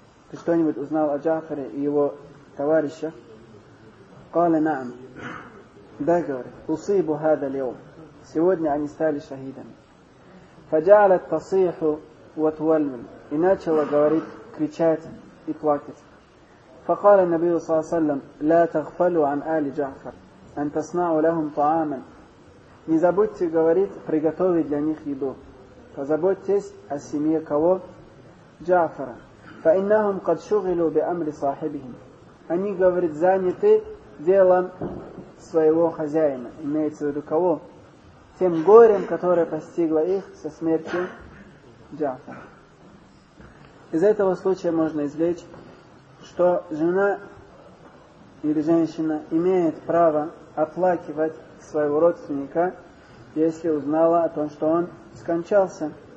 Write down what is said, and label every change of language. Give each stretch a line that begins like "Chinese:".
Russian: Ты что-нибудь узнал о Джафаре и его товарищах?
Arabic: Кале наам.
Russian: Да, говорит.
Arabic: Усыбу хада льом.
Russian: Сегодня они стали шахидами.
Arabic: Фаджалат тасиху ва твальмин.
Russian: И начала говорить, кричать и плакать.
Arabic: فقال النبي صلى الله عليه وسلم لا تغفلوا عن آل جعفر أن تصنعوا لهم طعاما.
Russian: Не забудьте, говорит, приготовить для них еду. Позаботьтесь о семье кого? Джафара.
Arabic: فإنهم قد شغلوا بأمر صاحبهم.
Russian: Они, говорит, заняты делом своего хозяина. Имеется в виду кого? Тем горем, которое постигло их со смертью Джафара. Из этого случая можно извлечь, что жена или женщина имеет право оплакивать своего родственника, если узнала о том, что он скончался.